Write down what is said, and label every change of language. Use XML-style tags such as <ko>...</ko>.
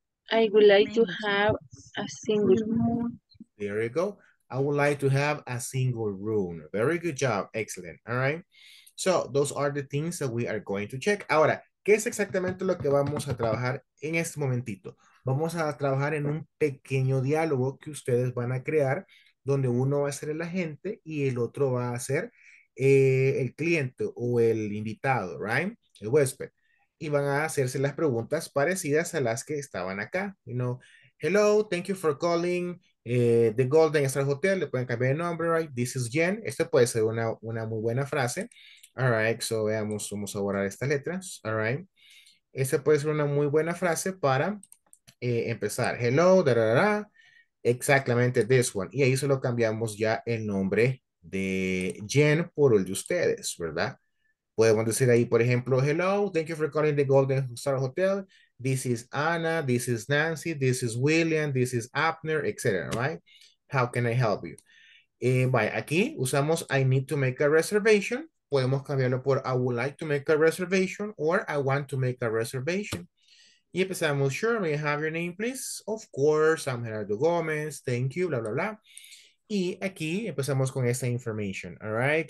<en>I would like to have a single room. There you go. I would like to have a single room. Very good job. Excellent. All right. So those are the things that we are going to check.</en> <es>Ahora, ¿qué es exactamente lo que vamos a trabajar en este momentito? Vamos a trabajar en un pequeño diálogo que ustedes van a crear, donde uno va a ser el agente y el otro va a ser el cliente o el invitado, right? El huésped. Y van a hacerse las preguntas parecidas a las que estaban acá.</es> <en>You know, hello, thank you for calling. The Golden Star Hotel,</en> <es>le pueden cambiar el nombre,</es> <en>right? This is Jen.</en> <es>Esto puede ser una muy buena frase. All right, so veamos, vamos a borrar estas letras. All right. Esta puede ser una muy buena frase para empezar. Hello, da, da, da, da. Exactamente</es> <en>this one.</en> <es>Y ahí solo cambiamos ya el nombre de Jen por el de ustedes, ¿verdad? Podemos decir ahí, por ejemplo,</es> <en>hello, thank you for calling the Golden Star Hotel. This is Anna, this is Nancy, this is William, this is Abner, etc. Right? How can I help you? Bye.</en> <es>Aquí usamos</es> <en>I need to make a reservation.</en> <es>Podemos cambiarlo por</es> <en>I would like to make a reservation or I want to make a reservation.</en> <es>Y empezamos,</es> <en>sure, may I have your name, please? Of course, I'm Gerardo Gomez, thank you, bla, bla, bla.</en> <es>Y aquí empezamos con esta information, all right?</es>